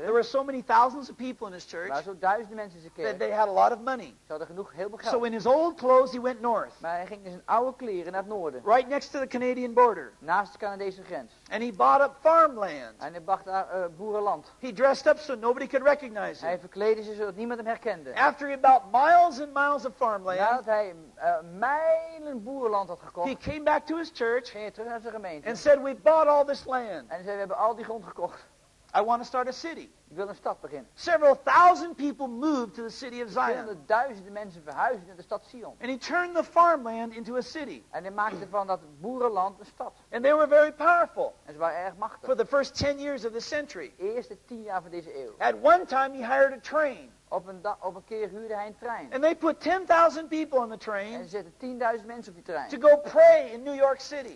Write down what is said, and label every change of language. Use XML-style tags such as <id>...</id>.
<en>There were so many thousands of people in his church.</en> <nl>Waar zo duizenden mensen in zijn kerk.</nl> <en>That they had a lot of money.</en> <nl>Ze hadden genoeg heel veel geld.</nl> <en>So in his old clothes he went north.</en> <nl>Maar hij ging in zijn oude kleren naar het noorden.</nl> <en>Right next to the Canadian border.</en> <nl>Naast de Canadese grens.</nl> <en>And he bought up farmland.</en> <nl>En hij bracht daar boerenland.</nl> <en>He dressed up so nobody could recognize him.</en> <nl>Hij verkleedde zich zodat niemand hem herkende.</nl> <en>After about miles and miles of farmland.</en> <nl>Nadat hij mijlen boerenland had gekocht.</nl> <en>He came back to his church.</en> <nl>Ging hij terug naar zijn gemeente.</nl> <en>And said, we bought all this land.</en> <nl>En zei, we hebben al die grond gekocht.</nl> <en>I want to start a city.</en> <nl>Ik wil een stad beginnen.</nl> <en>Several thousand people moved to the city of Zion.</en> <nl>Duizenden mensen verhuisden naar de stad Zion.</nl> <en>And he turned the farmland into a city.</en> <nl>En hij maakte van dat boerenland een stad.</nl> <en>And they were very powerful.</en> <nl>En ze waren erg machtig.</nl> <en>For the first 10 years of the century.</en> <nl>De eerste 10 jaar van deze eeuw.</nl> <en>At one time he hired a train.</en> <nl>Op een keer huurde hij een trein.</nl> <en>And they put 10,000 people on the train.</en> <nl>En ze zetten 10,000 mensen op die trein.</nl> <en>To go pray in New York City.</en>